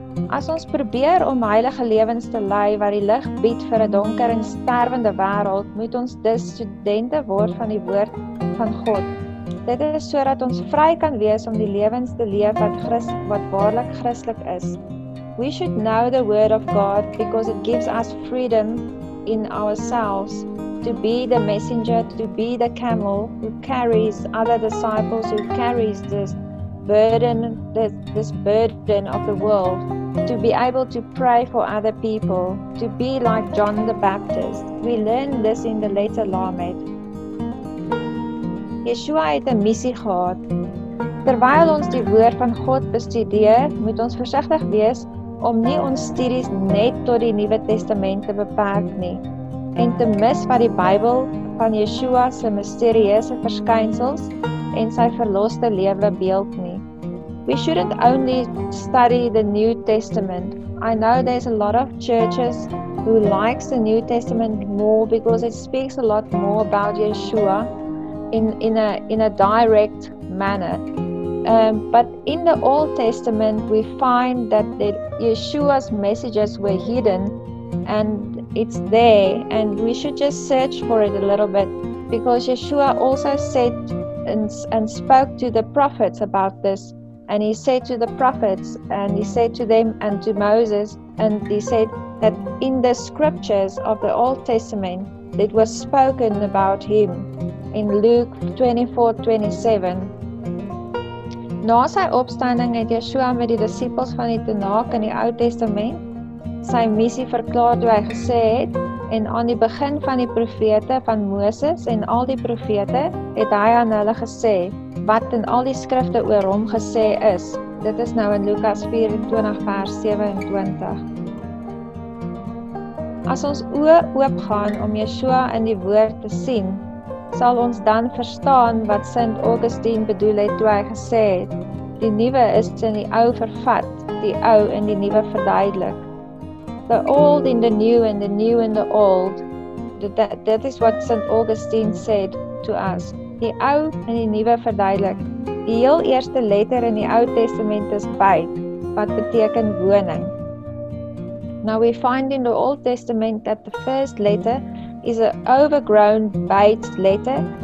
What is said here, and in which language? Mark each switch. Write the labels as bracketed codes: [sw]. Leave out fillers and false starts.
[af] As ons probeer om heilige lewens te lei wat die lig bied vir 'n donker en sterwende wêreld, moet ons dus studente word van die woord van God. Dit is sodat ons vry kan wees om die lewens te leef wat waarlik Christelik is. [en] We should know the word of God because it gives us freedom in ourselves to be the messenger, to be the camel who carries other disciples, who carries this burden of the world, to be able to pray for other people, to be like John the Baptist. We learn this in the later Lamed. [af] Yeshua het 'n missie gehad. Terwyl ons die woord van God bestudeer, moet ons versigtig wees om nie ons studies net tot die Nuwe Testament te beperk nie, en te mis wat die Bybel van Yeshua se misterieuse verskynsels en sy verloste lewe beeld nie. [en] We shouldn't only study the New Testament. I know there's a lot of churches who likes the New Testament more because it speaks a lot more about Yeshua in a direct manner. But in the Old Testament, we find that Yeshua's messages were hidden and it's there. And we should just search for it a little bit because Yeshua also said and spoke to the prophets about this. And he said to the prophets, and he said to them and to Moses, and he said that in the scriptures of the Old Testament, it was spoken about him in Luke 24:27. [af] Na sy opstanding het Yeshua met die disippels van die Tanaak in die Ou Testament sy missie verklaar toe hy gesê het, en aan die begin van die profete van Moses en al die profete het hy aan hulle gesê, wat in al die skrifte oor hom gesê is. Dit is nou in Lukas 24 vers 27. As ons oë oopgaan om Yeshua in die woord te sien, sal ons dan verstaan wat Sint Augustine bedoel het toe hy gesê het, die nuwe is in die ou vervat, die ou in die nuwe verduidelik. [en] The old in the new and the new in the old. That is what Sint Augustine said to us. [af] Die ou en die nuwe verduidelik. Die heel eerste letter in die Ou Testament is byt, wat beteken woning. [en] Now we find in the Old Testament that the first letter is an overgrown bait letter.